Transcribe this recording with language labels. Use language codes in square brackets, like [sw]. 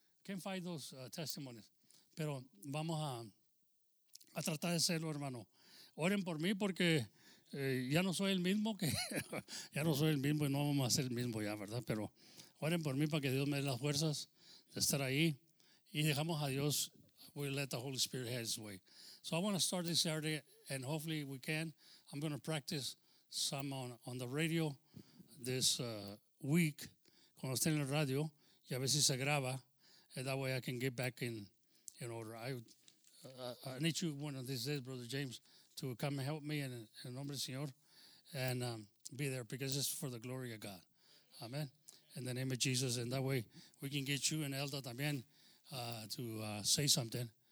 [en] Can't find those testimonies. [es] Pero vamos a tratar de hacerlo, hermano. Oren por mí porque ya no soy el mismo, que ya no soy el mismo y no vamos a ser el mismo ya, ¿verdad? Pero oren por mí para que Dios me dé las fuerzas de estar ahí y dejamos a Dios. [en] We'll let the Holy Spirit have his way. So I want to start this Saturday, and hopefully we can. I'm going to practice some on the radio this week. [es] Cuando esté en el radio, y a ver si se graba. [en] And that way I can get back in order. I need you one of these days, Brother James, to come and help me in the [es] nombre del Señor, [en] and be there, because it's for the glory of God. Amen. In the name of Jesus. And that way we can get you and Elda también to say something.